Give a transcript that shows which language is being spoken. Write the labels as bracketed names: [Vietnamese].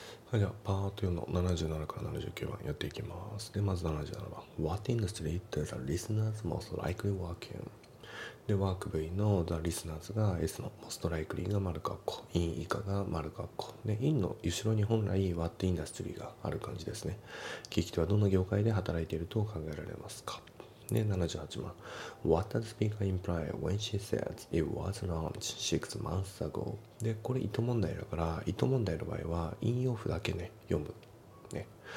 [Japanese] はい、じゃあパート4の77から79番やっていきます。でまず77番 [English] What industry does the listeners most likely work in? [Japanese] でワーク部位の the listeners が S の most likely が丸括弧 in 以下が丸括弧で in の後ろに本来 what industry がある感じですね。聞き手はどの業界で働いていると考えられますか。で78番 [English] What does the speaker imply when she says it was launched 6 months ago? [Japanese] でこれ意図問題だから、意図問題の場合は in off だけね読むね。